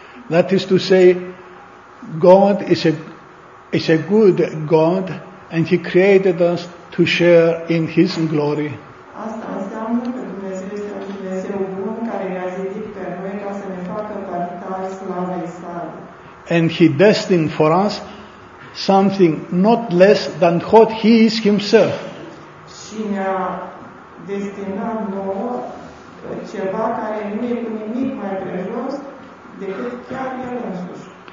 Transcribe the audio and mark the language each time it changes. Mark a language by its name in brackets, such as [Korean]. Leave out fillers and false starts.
[English] That is to say, God is a good God, and he created us to share in His glory. [Romanian] Asta înseamnă că Dumnezeu este un Dumnezeu bun care ne-a zidit pe noi ca să ne facă partaj slavei sale. [English] And He destined for us something not less than what He is Himself. [Romanian] Și ne-a destinat nouă ceva care nu e cu nimic mai prejos decât chiar El însuși.